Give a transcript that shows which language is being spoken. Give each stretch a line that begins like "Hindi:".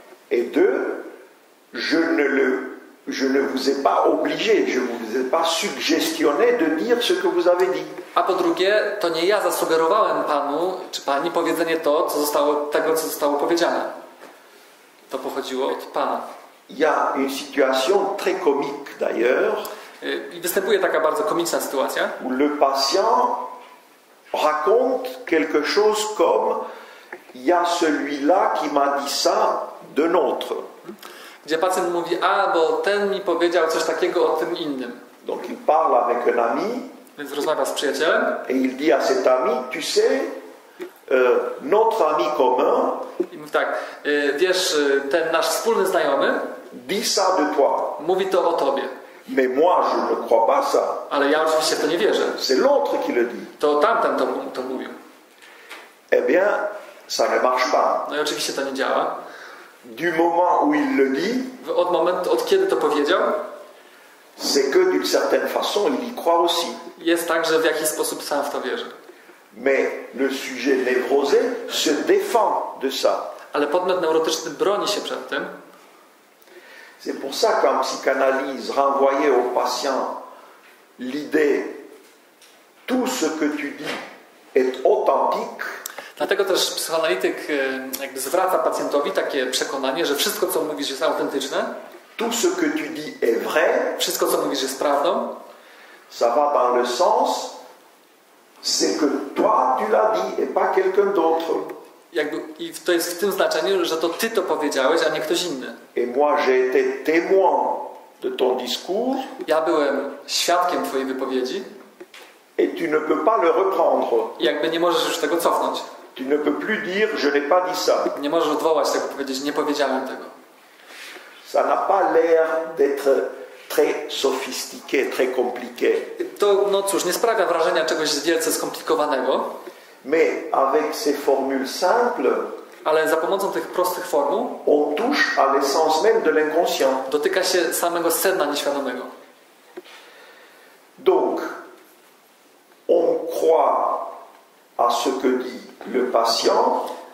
French: Et deux, je ne vous ai pas obligé, je vous ai pas suggestionné de dire ce que vous avez dit.
Polish: A po drugie, to nie ja zasugerowałem panu, czy pani powiedzenie to, co zostało, tego, co zostało powiedziane. To pochodziło od pana.
French: Il y a une situation très comique d'ailleurs.
Polish: I występuje taka bardzo komiczna sytuacja.
French: Où le patient raconte quelque chose comme il y a celui-là qui m'a dit ça de notre.
Polish: Gdzie pacjent mówi, a bo ten mi powiedział coś takiego o tym innym.
French: Donc il parle avec un ami.
Polish: Więc rozmawia z przyjacielem.
French: Et il dit à cet ami, tu sais, notre ami commun.
Polish: I mówi tak, wiesz, ten nasz wspólny znajomy.
French: Dit ça de toi.
Polish: Mówi to o tobie.
French: Mais moi, je ne crois pas ça.
Polish: Ale ja oczywiście w to nie wierzę.
French: C'est l'autre qui le dit.
Polish: To tamten to mówił.
French: Eh bien, ça ne marche pas.
Polish: No i oczywiście to nie działa.
French: Du moment où il le dit,
Polish: od kiedy to powiedział,
French: c'est que d'une certaine façon, il y croit aussi.
Polish: Jest tak, że w jakiś sposób sam w to wierzy.
French: Mais le sujet névrosé se défend de ça.
Polish: Ale podmiot neurotyczny broni się przed tym.
French: C'est pour ça qu'en psychanalyse, renvoyer au patient l'idée tout ce que tu dis est authentique.
Polish: Dlatego też psychoanalityk jakby zwraca pacjentowi takie przekonanie, że wszystko, co mówisz, jest autentyczne.
French: Tout ce que tu dis est vrai.
Polish: Wszystko, co mówisz, jest prawdą.
French: Ça va dans le sens, c'est que toi, tu l'as dit, et pas quelqu'un d'autre.
Polish: Jakby, i to jest w tym znaczeniu, że to ty to powiedziałeś, a nie ktoś inny.
French: Et moi, j'ai été témoin de ton discours.
Polish: Ja byłem świadkiem twojej wypowiedzi.
French: Et tu ne peux pas le reprendre.
Polish: Jakby nie możesz już tego cofnąć.
French: Tu ne peux plus dire, je n'ai pas dit ça.
Polish: Nie możesz odwołać tego, powiedzieć, nie powiedziałem tego.
French: Ça n'a pas l'air d'être très sophistiqué, très compliqué.
Polish: To, no cóż, nie sprawia wrażenia czegoś wielce skomplikowanego.
French: Mais avec ces formules simples,
Polish: ale za pomocą tych prostych formuł,
French: on touche à l'essence même de l'inconscient.
Polish: Dotyka się samego sedna nieświadomego.
French: Donc, on croit à ce que dit le patient,